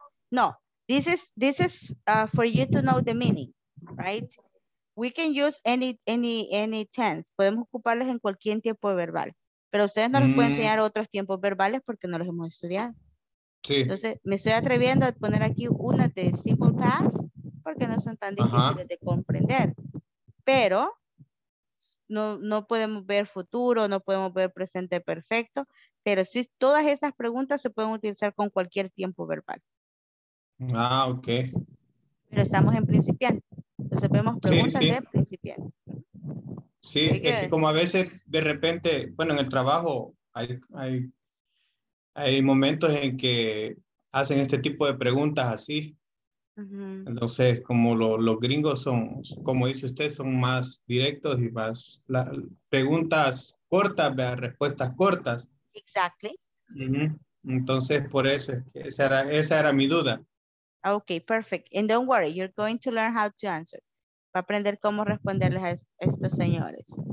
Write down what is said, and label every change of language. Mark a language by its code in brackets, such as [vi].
[en] No, this is for you to know the meaning, right? We can use any tense. [es] Podemos ocuparlos en cualquier tiempo verbal. Pero ustedes no les pueden enseñar otros tiempos verbales porque no los hemos estudiado. Sí. Entonces, me estoy atreviendo a poner aquí una de simple past porque no son tan difíciles de comprender. Pero no podemos ver futuro, no podemos ver presente perfecto. Pero sí, todas esas preguntas se pueden utilizar con cualquier tiempo verbal. Ah, ok. Pero estamos en principiante. Entonces, vemos preguntas de principiante. Sí, es que como a veces, de repente, bueno, en el trabajo hay Hay momentos en que hacen este tipo de preguntas así. Uh-huh. Entonces, como los gringos son, como dice usted, son más directos y más preguntas cortas, ¿verdad? Respuestas cortas. [en] Exactly. [es] Uh-huh. Entonces, por eso, esa era mi duda. [en] Okay, perfect. And don't worry, you're going to learn how to answer. [es] Va a aprender cómo responderles a estos señores.